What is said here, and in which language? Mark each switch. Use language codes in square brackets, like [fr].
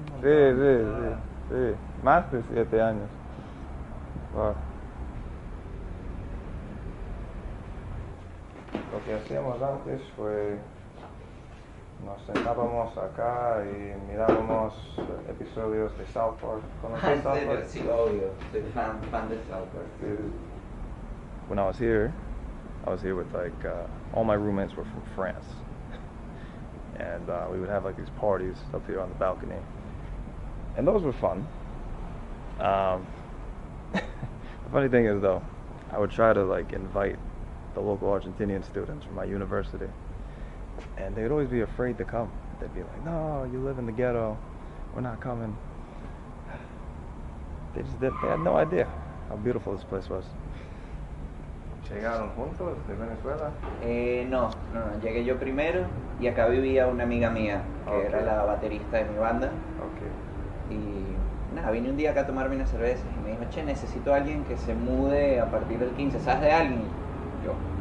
[es] Sí, sí, sí, sí. Más de 7 años. Wow. Lo que hacíamos antes fue, nos sentábamos acá y mirábamos episodios de South Park. ¿Conocí South Park? Sí, obvio. Soy fan de South Park. [en] When I was here with like, all my roommates were from France. And we would have like these parties up here on the balcony. And those were fun. The funny thing is though, I would try to like invite the local Argentinian students from my university. And they'd always be afraid to come. They'd be like, no, you live in the ghetto. We're not coming. They had no idea how beautiful this place was. [es] ¿Llegaron juntos de Venezuela? No, llegué yo primero y acá vivía una amiga mía que era la baterista de mi banda. Okay. Y nada, vine un día acá a tomarme una cerveza y me dijo, che, necesito a alguien que se mude a partir del 15. ¿Sabes de alguien? Yo.